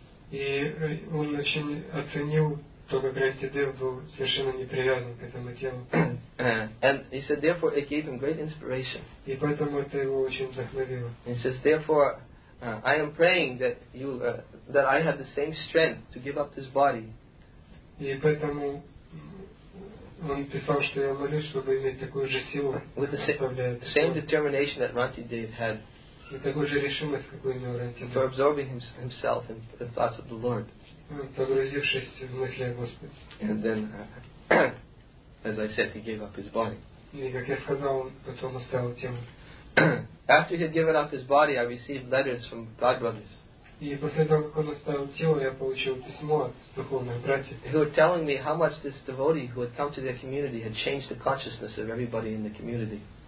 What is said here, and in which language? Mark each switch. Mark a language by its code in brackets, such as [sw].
[ru] И он очень оценил то, как Рантидев был совершенно не привязан к этому телу. [en] And he said, therefore, it gave him great inspiration. [ru] И поэтому это его очень вдохновило. [en] He says, therefore, I am praying that you, that I have the same strength to give up this body. [ru] И поэтому он писал, что я молюсь, чтобы иметь такую же силу. [en] With the same determination that Rantidev had. [ru] И такую же решимость, какую имел Рантидев. [en] For absorbing himself in the thoughts of the Lord. [ru] Погрузившись в мысли о Господе. [en] And then, as I said, he gave up his body. [ru] И как я сказал, он потом оставил тело. [en] After he had given up his body, I received letters from God brothers. [ru] И после того, как он оставил тело, я получил письмо от духовных братьев. [en] Who were telling me how much this devotee who had come to their community had changed the consciousness of everybody in the community.